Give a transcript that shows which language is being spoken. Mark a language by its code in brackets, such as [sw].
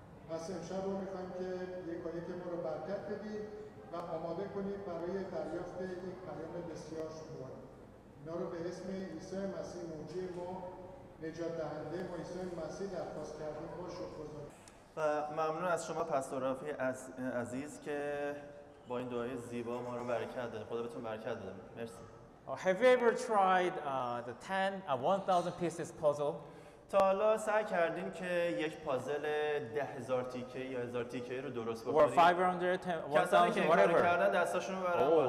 [fa] پس امشب رو میخواییم که یکایک ما رو برکت بدید و آماده کنید برای دریافت این پیام بسیار شما. اینا رو به اسم عیسی مسیح موجی ما نجات دهنده عیسی مسیح درخواست کردیم با شکرگزاری. و ممنون از شما پاستور رافی عزیز که با این دعای زیبا ما رو برکت داده. خدا بهتون برکت بده. مرسی. [en] Have you ever tried the 1000 pieces puzzle? [fa] تا حالا سعی کردین که یک پازل 10000 تیکه یا 1000 تیکه رو درست بکنید؟ [en] Or 500 1000 whatever. [fa] کسانی که کار کردن دستاشون رو برام.